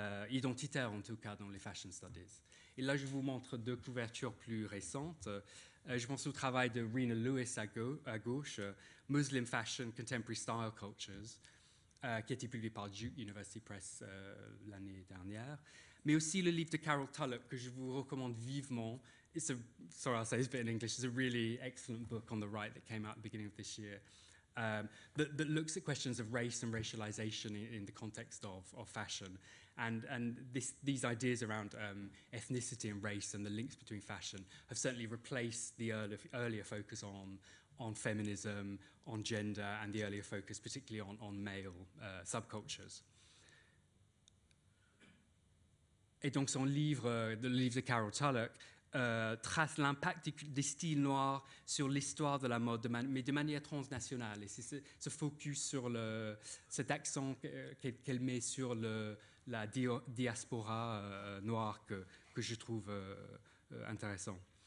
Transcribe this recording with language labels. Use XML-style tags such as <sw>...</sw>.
<fr>Identitaire en tout cas dans les fashion studies. Et là je vous montre deux couvertures plus récentes. Je pense au travail de Rena Lewis à gauche, Muslim Fashion, Contemporary Style Cultures, qui a été publié par Duke University Press l'année dernière, mais aussi le livre de Carol Tulloch que je vous recommande vivement.</fr> <en>I'll say it's a bit in English, it's a really excellent book on the right that came out at the beginning of this year. That looks at questions of race and racialization in the context of fashion, and these ideas around ethnicity and race and the links between fashion have certainly replaced the earlier focus on feminism, on gender, and the earlier focus particularly on male subcultures.</en> <fr>Et donc son livre, le livre de Carol Tulloch, trace l'impact des styles noirs sur l'histoire de la mode, mais de manière transnationale. Et c'est ce focus sur cet accent qu'elle met sur la diaspora noire que je trouve intéressant.</fr>